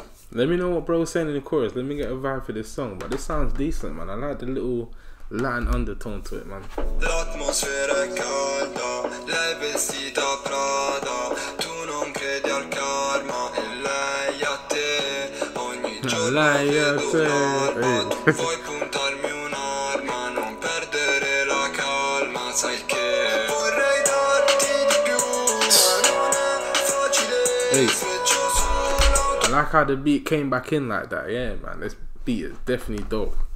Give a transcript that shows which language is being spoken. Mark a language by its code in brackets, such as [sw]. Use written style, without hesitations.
[en] Let me know what bro's saying in the chorus. Let me get a vibe for this song. But this sounds decent, man. I like the little Latin undertone to it, man. [it] L'atmosfera è calda, lei vestita Prada. Tu non credi al karma e lei a te. Ogni giorno vedo un'arma. Tu vuoi puntarmi un'arma, non perdere la calma, sai che. Vorrei darti di più, ma non è facile. [en] I like how the beat came back in like that. Yeah, man, this beat is definitely dope.